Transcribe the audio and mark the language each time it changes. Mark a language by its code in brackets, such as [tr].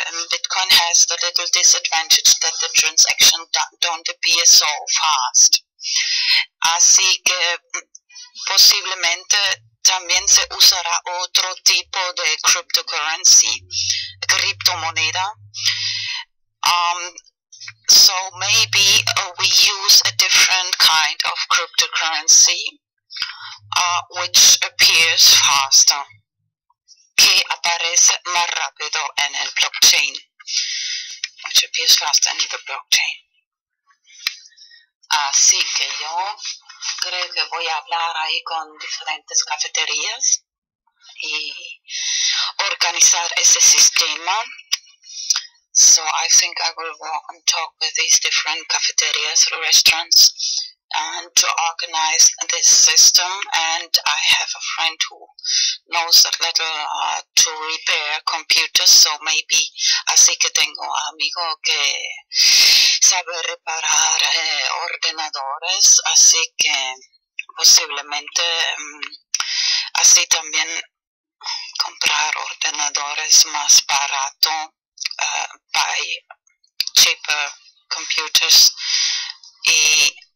[en] Bitcoin has the little disadvantage that the transaction don't appear so fast. [es] Así que posiblemente también se usará otro tipo de cryptocurrency, criptomoneda. [en] So maybe we use a different kind of cryptocurrency, which appears faster, [es] que aparece más rápido en el blockchain, [en] which appears faster in the blockchain. [es] Así que yo creo que voy a hablar ahí con diferentes cafeterías y organizar ese sistema. [en] So I think I will go and talk with these different cafeterias, restaurants, and to organize this system. And I have a friend who knows a little to repair computers, so maybe, [es] así que tengo amigo que sabe reparar ordenadores, así que posiblemente así también comprar ordenadores más barato, [en] buy cheaper computers [es] y